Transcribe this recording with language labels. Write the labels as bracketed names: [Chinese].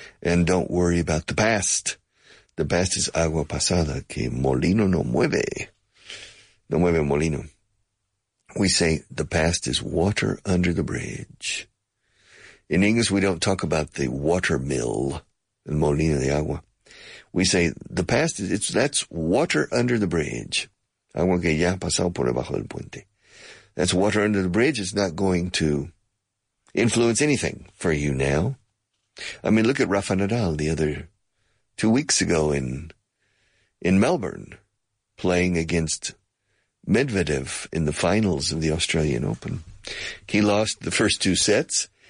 [English] And don't worry about the past. The past is [Spanish] agua pasada, que molino no mueve. No mueve molino. [English] We say the past is water under the bridge. In English, we don't talk about the water mill, [Spanish] el molino de agua. [English] We say the past is that's water under the bridge. [Spanish] Agua que ya ha pasado por debajo del puente. [English] That's water under the bridge. It's not going to influence anything for you now. I mean, look at Rafa Nadal the other 2 weeks ago in Melbourne, playing against Medvedev in the finals of the Australian Open. He lost the first two sets.